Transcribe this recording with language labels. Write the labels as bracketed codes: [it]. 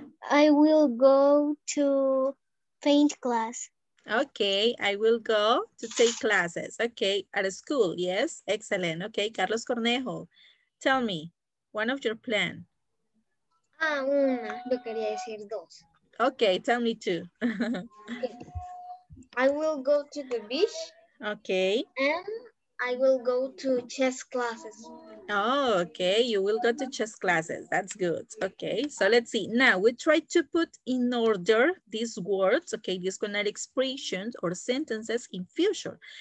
[en] I will go to paint class. Okay, I will go to take classes. Okay, at a school, yes, excellent. Okay, Carlos Cornejo, tell me, one of your plan. [es] Ah, una, yo quería decir dos. [en] Okay, tell me two. Okay. I will go to the beach. Okay. And I will go to chess classes. Oh, okay, you will go to chess classes. That's good. Okay, so let's see. Now, we try to put in order these words, okay, these connect expressions or sentences in future.